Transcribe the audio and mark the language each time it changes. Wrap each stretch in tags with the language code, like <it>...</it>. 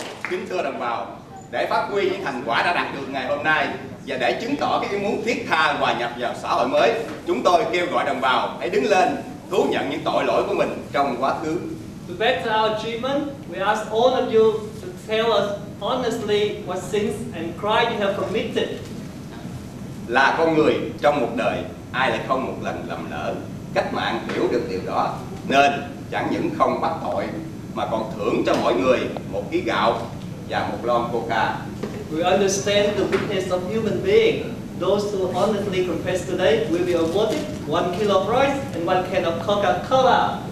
<vi>Kính thưa đồng bào, để phát huy những thành quả đã đạt được ngày hôm nay và để chứng tỏ cái ý muốn thiết tha hòa nhập vào xã hội mới, chúng tôi kêu gọi đồng bào hãy đứng lên thú nhận những tội lỗi của mình trong quá khứ.</vi> <en>To better our achievement, we ask all of you to tell us honestly what sins and crimes you have committed.</en> <vi>Là con người trong một đời, ai lại không một lần lầm lỡ? cách mạng hiểu được điều đó nên chẳng những không bắt tội mà còn thưởng cho mỗi người một ký gạo và một lon coca.</vi> <en>We understand the weakness of human being. Those who honestly confess today will be awarded 1 kilo of rice and 1 can of Coca-Cola.</en>